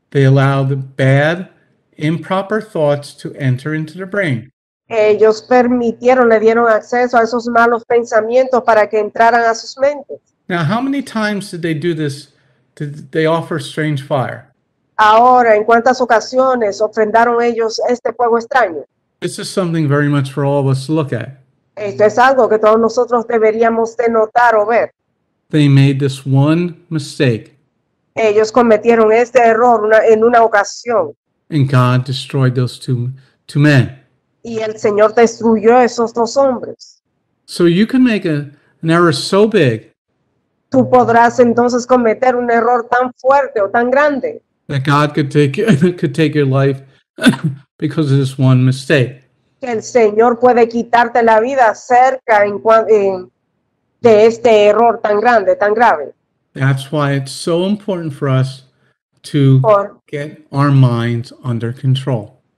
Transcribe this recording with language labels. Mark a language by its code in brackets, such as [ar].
[en] They allowed the bad, improper thoughts to enter into their brain. [es] Ellos permitieron, le dieron acceso a esos malos pensamientos para que entraran a sus mentes. [en] Now, how many times did they do this? Did they offer strange fire? [es] Ahora, ¿en cuántas ocasiones ofrendaron ellos este fuego extraño? [en] This is something very much for all of us to look at. [es] Esto es algo que todos nosotros deberíamos de notar o ver. [en] They made this one mistake. [es] Ellos cometieron este error en una ocasión. [en] And God destroyed those two men. [es] Y el Señor destruyó esos dos hombres. [en] So you can make an error so big. [es] Tú podrás entonces cometer un error tan fuerte o tan grande. [en] That God could take your life because of this one mistake. [es] Que el Señor puede quitarte la vida cerca de este error tan grande, tan grave. [en] That's why it's so important for us to get our minds under control.